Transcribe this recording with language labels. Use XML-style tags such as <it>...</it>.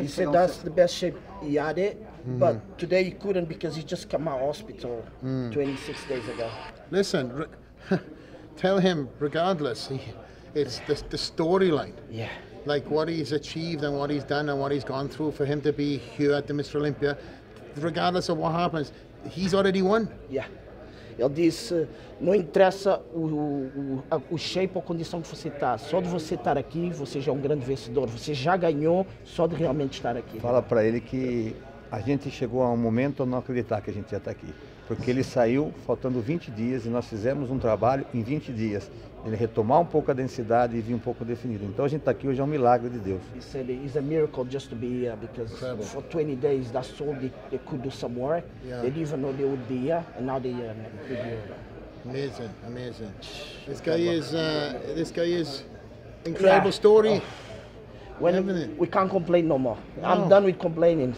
<en>He said that's the best shape he had it, mm-hmm. But today he couldn't because he just came out of hospital 26 days ago. Listen, tell him, regardless, it's the storyline. Yeah. Like what he's achieved and what he's done and what he's gone through for him to be here at the Mr. Olympia, regardless of what happens, he's already won. Yeah.</en> <pt>Ele disse, não interessa o shape ou a condição que você está. Só de você estar aqui, você já é um grande vencedor. Você já ganhou só de realmente estar aqui. Fala para ele que a gente chegou a um momento a não acreditar que a gente ia estar aqui. Porque ele saiu faltando 20 dias e nós fizemos um trabalho em 20 dias. Ele retomar um pouco a densidade e vir um pouco definido. Então a gente está aqui hoje, é um milagre de Deus. Ele disse, é um milagre</pt> <en>just to be here, because incredible. For 20 days that's all they could do some work. Yeah. They didn't even know they would be here, and now they are. Amazing, amazing. This guy is incredible, yeah. Story. When we can't complain no more. No. I'm done with complaining.</en>